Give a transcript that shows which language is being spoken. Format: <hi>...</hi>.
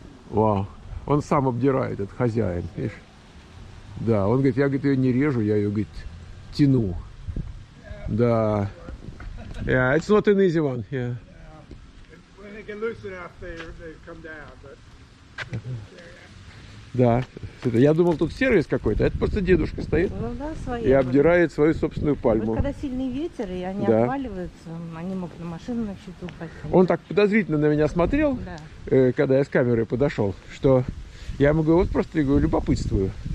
<ru>Вау, он сам обдирает, этот хозяин, видишь? Да, он говорит, я ее не режу, я ее, говорит, тяну. Да.</ru> <en>Yeah, it's not an easy one, yeah. When they get loose enough, they come down, but...</en> <ru>Да, я думал, тут сервис какой-то, это просто дедушка стоит, ну, да, и обдирает свою собственную пальму. Вот когда сильный ветер, и они, да, обваливаются, они могут на машину начать упасть. Он так подозрительно на меня смотрел, да, когда я с камерой подошел, что я ему говорю, вот просто говорю, любопытствую.</ru>